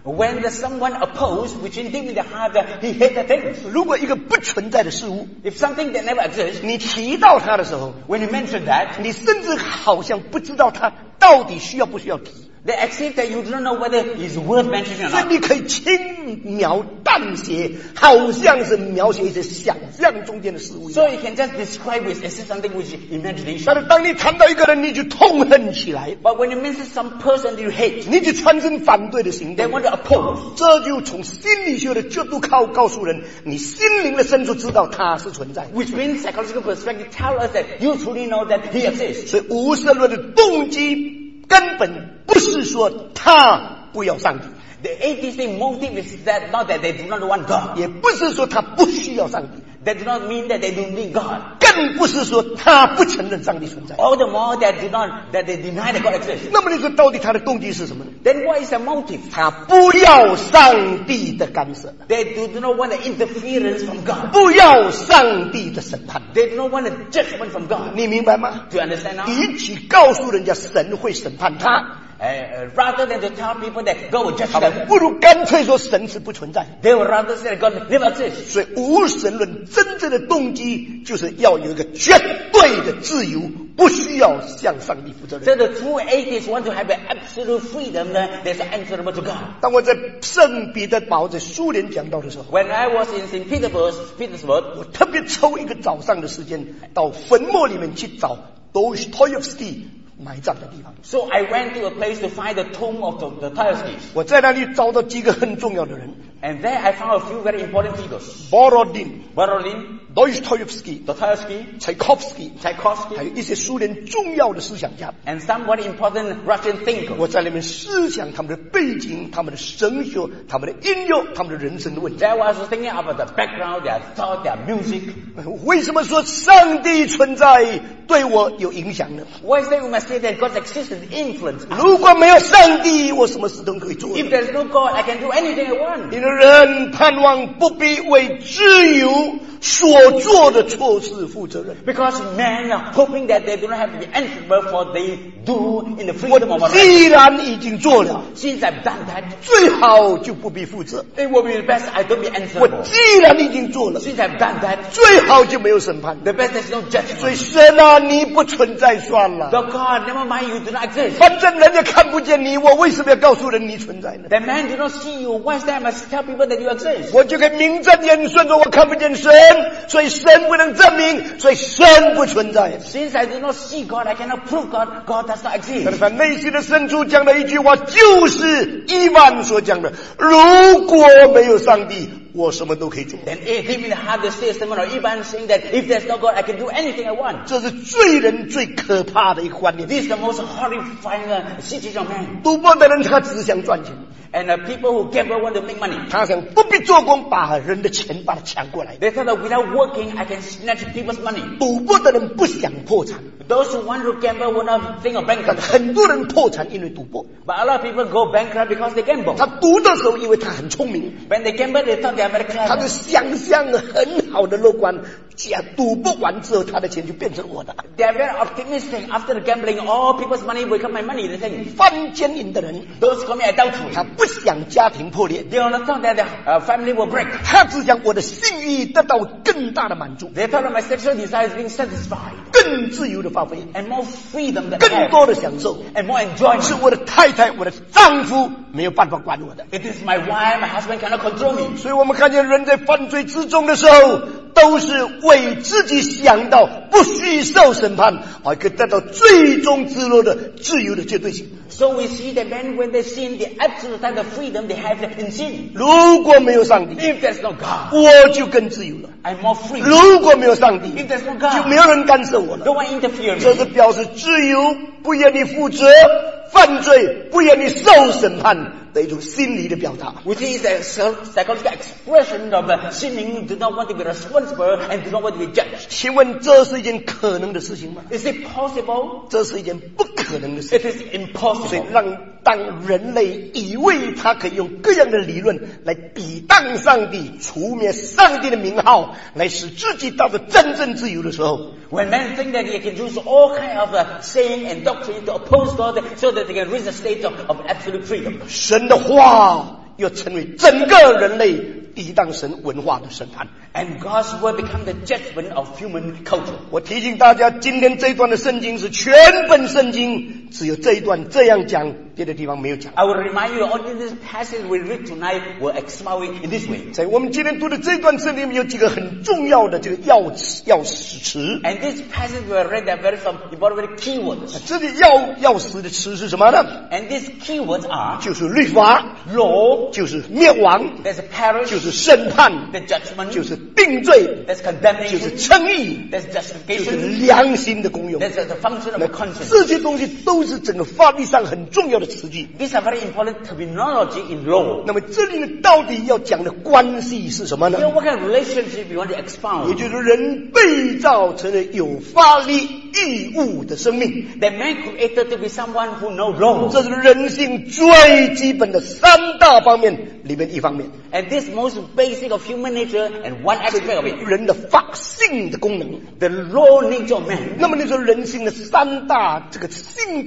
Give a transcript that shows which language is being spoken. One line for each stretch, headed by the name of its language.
English: When the someone opposes, which in deep in the heart, he hates the things.
Chinese: 如果一个不存在的事物
English: ，if something that never exists，
Chinese: 你提到他的时候
English: ，when you mention that，
Chinese: 你甚至好像不知道他到底需要不需要提。
English: The extent that you don't know whether it's worth mentioning or not.
Chinese: 所以你可以轻描淡写，好像是描写一些想象中间的事物。
English: So you can just describe with as if something which is imagination.
Chinese: 但是当你谈到一个人，你就痛恨起来。
English: But when you mention some person you hate,
Chinese: 你就产生反对的行动。
English: They want to oppose.
Chinese: 这就从心理学的角度靠告诉人，你心灵的深处知道他是存在。
English: Which means psychological perspective tell us that you truly know that he exists.
Chinese: 所以无神论的动机。根本不是说他不要上帝。
English: The atheist motive is that not that they do not want God.
Chinese: 也不是说他不需要上帝。
English: That do not mean that they do not need God.
Chinese: 更不是说他不承认上帝存在。
English: All the more that do not that they deny that God exists.
Chinese: 那么你说到底他的动机是什么呢？
English: Then what is the motive?
Chinese: 他不要上帝的干涉。
English: They do not want the interference from God.
Chinese: 不要上帝的审判。
English: They do not want the judgment from God.
Chinese: 你明白吗？
English: Do you understand now?
Chinese: 与其告诉人家神会审判他。
English: Rather than to tell people that God will judge them,
Chinese: 不如干脆说神是不存在。
English: They would rather say that God never exists.
Chinese: 所以无神论真正的动机就是要有一个绝对的自由，不需要向上帝负责任。
English: So the true atheists want to have an absolute freedom that they are answerable to God.
Chinese: 当我在圣彼得堡在苏联讲道的时候
English: ，When I was in St. Petersburg,
Chinese: 我特别抽一个早上的时间到坟墓里面去找 Dostoyevsky。埋葬的地方。
English: So I went to a place to find the tomb of the Tolstoy.
Chinese: 我在那里找到几个很重要的人。
English: And there I found a few very important figures. Borodin. Borodin. Dostoevsky. Dostoevsky. Tchaikovsky. Tchaikovsky.
Chinese: 还有一些苏联重要的思想家。
English: And some very important Russian thinkers.
Chinese: 我在里面思想他们的背景、他们的神学、他们的音乐、他们的人生的问题。
English: There was thinking about the background, their thought, their music.
Chinese: 为什么说上帝存在对我有影响呢？
English: Why is that we must say that God's existence influences?
Chinese: 如果没有上帝，我什么事都可以做。
English: If there's no God, I can do anything I want.
Chinese: 人盼望不必为自由所做的错事负责任。
English: Because men are hoping that they do not have to be answerable for they do in the freedom of
Chinese: life. 我既然已经做了
English: ，Since I've done that，
Chinese: 最好就不必负责。
English: It will be the best I don't be answerable.
Chinese: 我既然已经做了
English: ，Since I've done that，
Chinese: 最好就没有审判。
English: The best is no judgment.
Chinese: 所以神啊，你不存在算了。
English: The God, never mind you do not exist.
Chinese: 反正人家看不见你，我为什么要告诉人你存在呢
English: ？The man do not see you. Why is that? I must tell people that you exist.
Chinese: 我就可以名正言顺说我看不见神。所以神不能证明，所以神不存在。
English: Since I do not see God, I cannot prove God. God does not exist.
Chinese: 但是他内心的深处讲的一句话，就是伊万所讲的：如果没有上帝，我什么都可以做。
English: Then if he will have the statement or even saying that if there's no God, I can do anything I want.
Chinese: 这是罪人最可怕的一个观念。
English: This is the most horrifying situation of man.
Chinese: 赌博的人他只想赚钱。
English: And the people who gamble want to make money.
Chinese: 他想不必做工把人的钱把他抢过来。
English: They thought that without working, I can snatch people's money.
Chinese: 赌博的人不想破产。
English: Those who want to gamble will not think of bankrupt.
Chinese: 很多人破产因为赌博。
English: But a lot of people go bankrupt because they gamble.
Chinese: 他赌的时候因为他很聪明。
English: When they gamble, they thought they are very clever.
Chinese: 他就想象很好的乐观，赌博完之后他的钱就变成我的。
English: They are very optimistic. After the gambling, all people's money will become my money. They think.
Chinese: 犯奸淫的人。
English: Those commit adultery.
Chinese: 他不想家庭破裂。
English: They only thought that their family will break.
Chinese: 他只想我的性欲得到更大的满足。
English: They thought that my sexual desire is being satisfied.
Chinese: 更自由的发挥。
English: And more freedom than
Chinese: ever. 更多的享受。
English: And more enjoyment.
Chinese: 是我的太太，我的丈夫没有办法管我的。
English: It is my wife, my husband cannot control me.
Chinese: 所以我们看见人在犯罪之中的时候，都是为自己想到不需受审判，而可得到最终之路的自由的绝对性。
English: So we see the men when they sin, the absolute time of freedom they have in sin.
Chinese: 如果没有上帝
English: ，If there's no God，
Chinese: 我就更自由了。
English: I'm more free.
Chinese: 如果没有上帝
English: ，If there's no God，
Chinese: 就没有人干涉我了。
English: No one interferes.
Chinese: 这是表示自由，不愿意负责犯罪，不愿意受审判的一种心理的表达。
English: Which is a psychological expression of sinning, do not want to be responsible and do not want to be judged.
Chinese: 请问这是一件可能的事情吗
English: ？Is it possible？
Chinese: 这是一件不可能的事情。
English: It is impossible.
Chinese: 所以让当人类以为他可以用各样的理论来抵挡上帝，除灭上帝的名号，来使自己达到真正自由的时候
English: ，When men think that they can use all kind of saying and doctrine to oppose God, so that they can reach a state of absolute freedom.
Chinese: 神的话又成为整个人类抵挡神文化的审判。
English: And God's word become the judgment of human culture.
Chinese: 我提醒大家，今天这一段的圣经是全本圣经，只有这一段这样讲，别的地方没有讲。
English: I will remind you, only this passage we read tonight will explain in this way.
Chinese: 在我们今天读的这一段圣经，有几个很重要的这个要词、要词。
English: And this passage we read are very important, very keywords.
Chinese: 这里要词的词是什么呢
English: ？And these keywords are
Chinese: 就是律法
English: ，law
Chinese: 就是灭亡
English: ，there's a perish
Chinese: 就是审判
English: ，the judgment
Chinese: 就是定罪
English: ，there's condemnation
Chinese: 就是称义
English: ，there's justification
Chinese: 就是良心的功用
English: ，there's the function of conscience.
Chinese: 这些东西都是整个法律上很重要的词句。
English: These are very important terminology in law.
Chinese: 那么这里呢，到底要讲的关系是什么呢
English: ？Here, what kind of relationship you want to expound?
Chinese: 也就是人被造成了有法律义务的生命。
English: The man created to be someone who knows law.
Chinese: 这是人性最基本的三大方面里面一方面。
English: And this most basic of human nature and one aspect of it.
Chinese: 人的法性的功能。
English: The law nature of man.
Chinese: 那么你说人性的三大这个性。